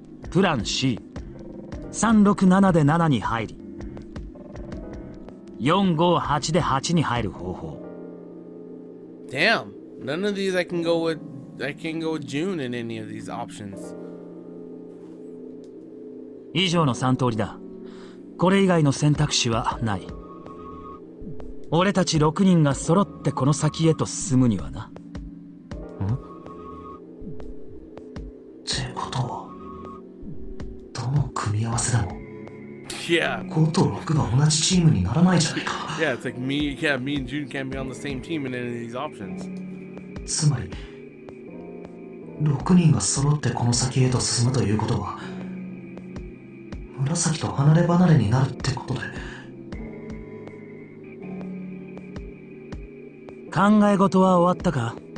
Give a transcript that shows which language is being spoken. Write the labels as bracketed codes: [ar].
[ja] プラン C、367で7に入り。 458で8に入る方法。 [en] Damn! None of these I can go with June in any of these options. [ja] 以上の3通りだ。これ以外の選択肢はない。俺たち6人が揃ってこの先へと進むにはな。ん？ってことは、どの組み合わせだろう。 [en] Yeah. [ja] 5と6が同じチームにならないじゃないか。 [en] Yeah, it's like me and June can't be on the same team in any of these options. [ja] つまり、6人が揃ってこの先へと進むということは、紫と離れ離れになるってことで。考え事は終わったか？